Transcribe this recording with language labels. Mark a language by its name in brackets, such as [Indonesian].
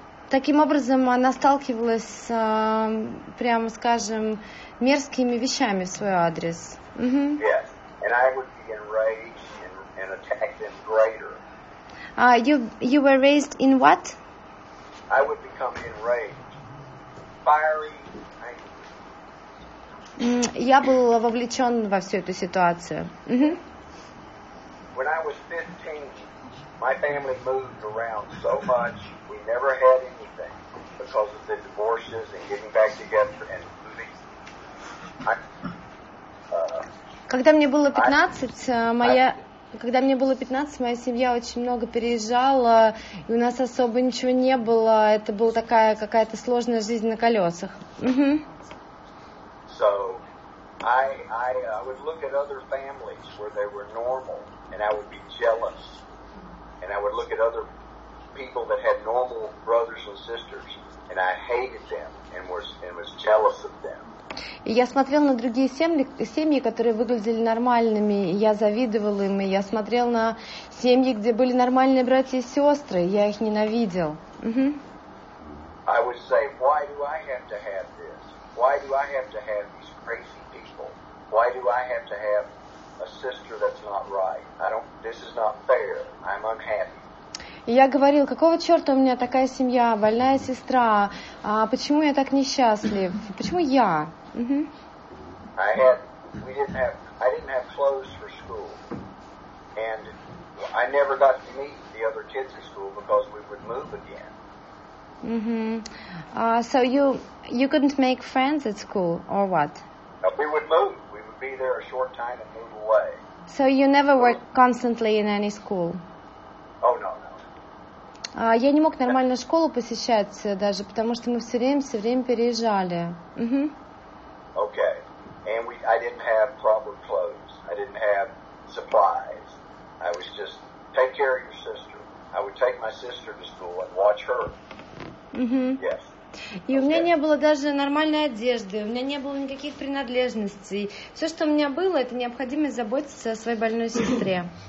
[Russian] Таким образом, она сталкивалась с, прямо скажем, мерзкими вещами в свой адрес. [English] Yes, and I would be enraged and attack them greater. You were raised in what? I would become enraged, fiery, angry. [Russian] Я был вовлечен во всю эту ситуацию. [English] When I was 15, my family moved around so much, we never had anything because of the divorces and getting back together and moving. [Russian] Когда мне было 15, моя семья очень много переезжала, и у нас особо ничего не было. Это была такая какая-то сложная жизнь на колесах. [English] So, I would look at other families where they were normal. And I would be jealous. And I would look at other people that had normal brothers and sisters, and I hated them and was jealous of them. [Russian] И я смотрел на другие семьи, которые выглядели нормальными, и я завидовал им. И я смотрел на семьи, где были нормальные братья и сестры, и я их ненавидел. [English] I would say, why do I have to have this? Why do I have to have these crazy people? Why do I have to have a sister that's not right. This is not fair. I'm unhappy. [Russian] Я говорил, какого черта у меня такая семья, больная сестра, почему я так несчастлив, почему я? [English] I didn't have clothes for school, and I never got to meet the other kids at school because we would move again. So you couldn't make friends at school or what? We would move. We would be there a short time and move. So you never were constantly in any school? [Russian] Я не мог нормально школу посещать даже, потому что мы все время переезжали. [English] Okay. And I didn't have proper clothes. I didn't have supplies. I was just take care of your sister. I would take my sister to school and watch her. Yes. [Russian] И у меня не было даже нормальной одежды, у меня не было никаких принадлежностей. Все, что у меня было, это необходимость заботиться о своей больной сестре.